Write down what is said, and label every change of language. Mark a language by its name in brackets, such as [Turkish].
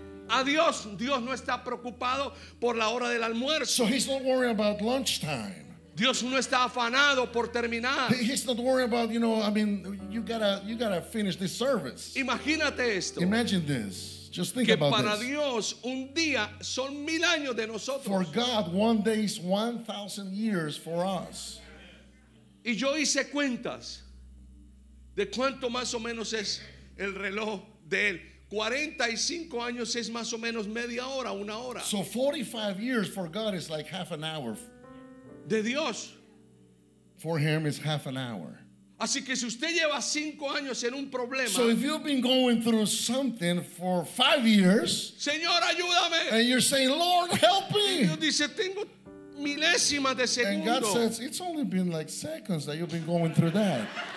[Spanish] A Dios, Dios no está preocupado por la hora del almuerzo. [English] So he's not worried about lunchtime. [Spanish] Dios no está afanado por terminar. [English] He's not worried about, you know, I mean, you gotta finish this service. [Spanish] Imagínate esto. [English] Imagine this. Just think [Spanish] que [English] about [Spanish] para [English] this. [Spanish] Dios, un día son mil años de nosotros. [English] For God, one day is 1,000 years for us. [Spanish] Y yo hice cuentas de cuánto más o menos es el reloj de él. 45 años es más o menos media hora, una hora. [English] So 45 years for God is like half an hour. [Spanish] De Dios. [English] For him is half an hour. [Spanish] Así que si usted lleva 5 años en un problema. [English] So if you've been going through something for 5 years. [Spanish] Señor, ayúdame. [English] And you're saying, Lord, help me. [Spanish] Y Dios dice, tengo milésimas de segundo. [English] And God says, it's only been like seconds that you've been going through that.